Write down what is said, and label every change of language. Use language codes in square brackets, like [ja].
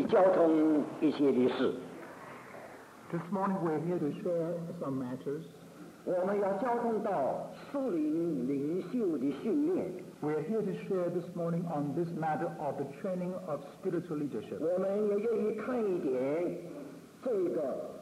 [zh] 早晨我们在这里愿意交通一些的事。 [en] This morning we're here to share some matters. [zh] 我们要交通到树林领袖的训练。 [en] We are here to share this morning on this matter of the training of spiritual leadership. [zh] 我们也愿意看一点这个,